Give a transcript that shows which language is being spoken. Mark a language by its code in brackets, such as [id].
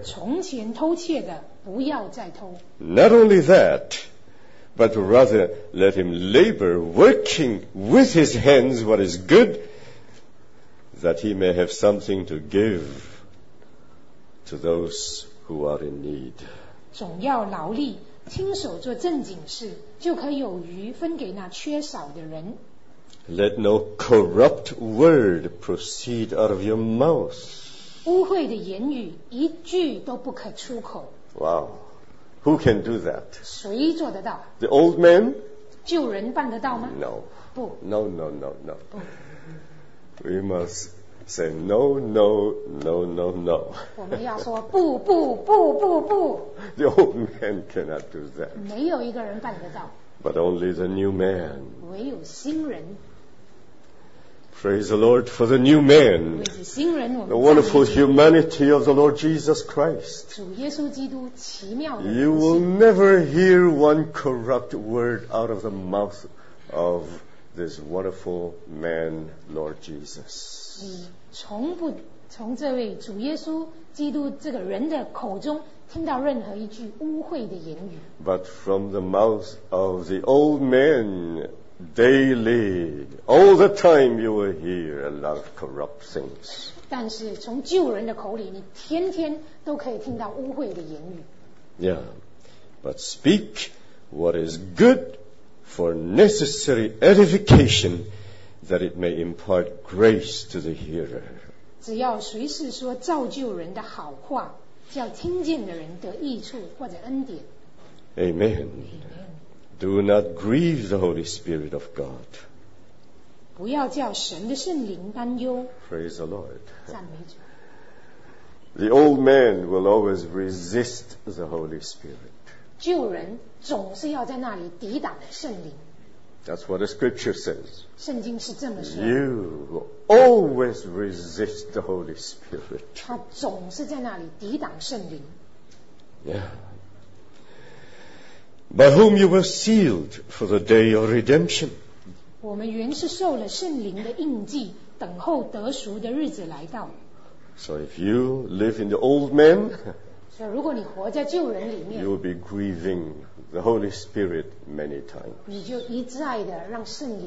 [zh] 从前偷窃的不要再偷。 [en] Not only that, but rather let him labor, working with his hands what is good, that he may have something to give to those who are in need. [zh] 总要劳力。亲手做正经事，就可有余分给那缺少的人。 [en] Let no corrupt word proceed out of your mouth. [zh] 污秽的言语一句都不可出口。 [en] Wow, who can do that? [zh] 谁做得到？ [en] The old man? [zh] 旧人办得到吗？ [en] No. [zh] 不。 [en] No, no, no, no. We must say no, no, no, no, no. [zh] 我们要说不不不不不。 [en] The old man cannot do that. [zh] 没有一个人办得到。 [en] But only the new man. [zh] 唯有新人。 [en] Praise the Lord for the new man. [zh] 为着新人，我们。 [en] The wonderful humanity of the Lord Jesus Christ. [zh] 主耶稣基督奇妙的。 [en] You will never hear one corrupt word out of the mouth of this wonderful man, Lord Jesus. [zh] 你从不从这位主耶稣基督这个人的口中听到任何一句污秽的言语。 [en] But from the mouth of the old man, daily, all the time you will hear a lot of corrupt things. [zh] 但是从旧人的口里，你天天都可以听到污秽的言语。 [en] Yeah, but speak what is good for necessary edification, that it may impart grace to the hearer. [zh] 只要随时说造就人的好话，叫听见的人得益处或者恩典。 [en] Amen. Do not grieve the Holy Spirit of God. [zh] 不要叫神的圣灵担忧。 [en] Praise the Lord. [zh] 赞美主。 [en] The old man will always resist the Holy Spirit. [zh] 旧人总是要在那里抵挡圣灵。 [en] That's what the scripture says. [zh] 圣经是这么说。 [en] You always resist the Holy Spirit. [zh] 他总是在那里抵挡圣灵。 [en] Yeah. By whom you were sealed for the day of redemption. [zh] 我们原是受了圣灵的印记，等候得赎的日子来到。 [en] So if you live in the old man, You will be grieving the Holy Spirit many times.